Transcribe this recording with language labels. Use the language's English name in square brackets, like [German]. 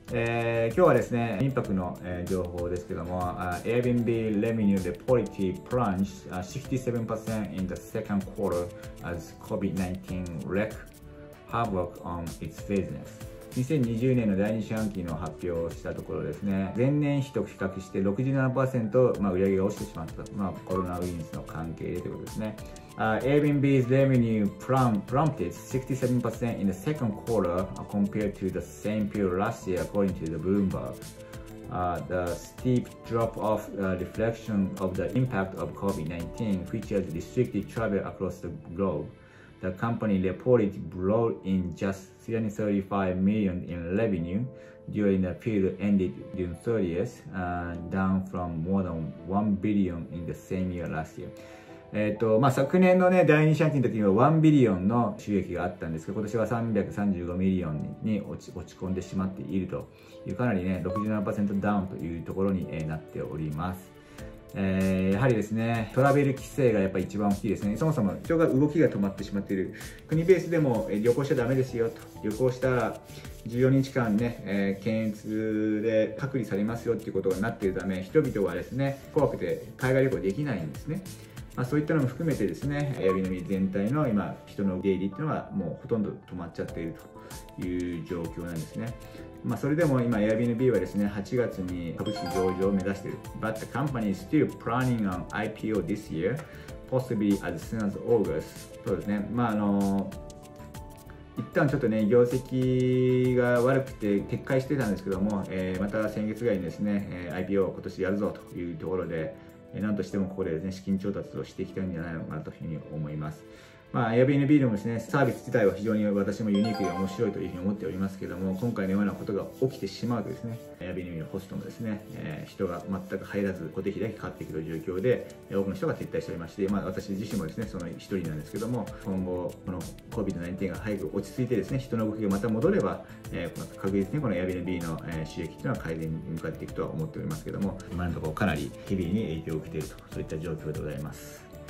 [Japanese] 今日はですね、民泊の、情報ですけども、 Airbnb Revenue Reportability Plunged 67% in the second quarter as COVID-19 wreck hard work on its business。 2020年の第2四半期の発表をしたところですね、前年比と比較して 67%、売上が落ちてしまった、コロナウイルスの関係でということですね。 [English] Airbnb's revenue plummeted 67% in the second quarter compared to the same period last year according to the Bloomberg. The steep drop off reflection of the impact of COVID-19 which has restricted travel across the globe. The company reported brought in just $335 million in revenue during the period ended June 30th, down from more than $1 billion in the same year last year. [Japanese] 昨年の、第二四半期の時には1ビリオンの収益があったんですけど、今年は335ミリオンに落ち込んでしまっているという、かなり、67% ダウンというところに、なっております。やはりですね、トラベル規制がやっぱり一番大きいですね。そもそも人が動きが止まってしまっている。国ベースでも旅行しちゃダメですよと、旅行したら14日間ね、検疫で隔離されますよっていうことになっているため、人々はですね、怖くて海外旅行できないんですね。そういったのも含めてですね、Airbnb全体の今人の出入りっていうのはもうほとんど止まっちゃっているという状況なんですね。それでも今 Airbnb はですね、8月に株式上場を目指している。 [English] But the company is still planning on IPO this year, possibly as soon as August. [Japanese] そうですね。一旦ちょっとね、業績が悪くて撤回してたんですけども、また先月ぐらいにですね、IPO を今年やるぞというところで、なんとしてもここ で資金調達をしていきたいんじゃないのかなというふうに思います。 Airbnb でもですね、サービス自体は非常に私もユニークで面白いというふうに思っておりますけども、今回のようなことが起きてしまうとですね、 Airbnb のホストもですね、人が全く入らず固定費だけ買っていくという状況で多くの人が撤退しておりまして、私自身もですね、その一人なんですけども、今後この COVID-19 が早く落ち着いてですね、人の動きがまた戻れば、確実にこの Airbnb の収益というのは改善に向かっていくとは思っておりますけども、今のところかなり日々に影響を受けていると、そういった状況でございます。